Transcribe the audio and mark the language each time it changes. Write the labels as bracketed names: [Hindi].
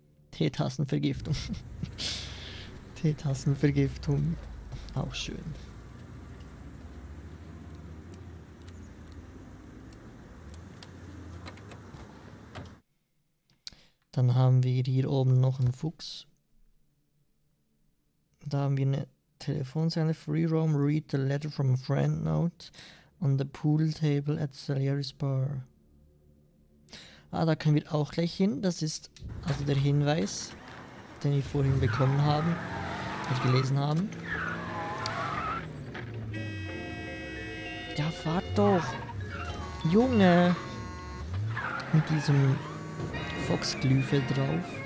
[German] Teetassenvergiftung. Teetassenvergiftung. Auch schön. Dann haben wir hier oben noch einen Fuchs. Da haben wir eine Telefonzelle. [English] Free roam, read the letter from a friend note on the pool table at Salieri's Bar. [German] Ah, da können wir auch gleich hin. Das ist also der Hinweis, den wir vorhin bekommen haben, also gelesen haben. Ja, fahrt doch! Junge! Mit diesem Foxglüfe drauf.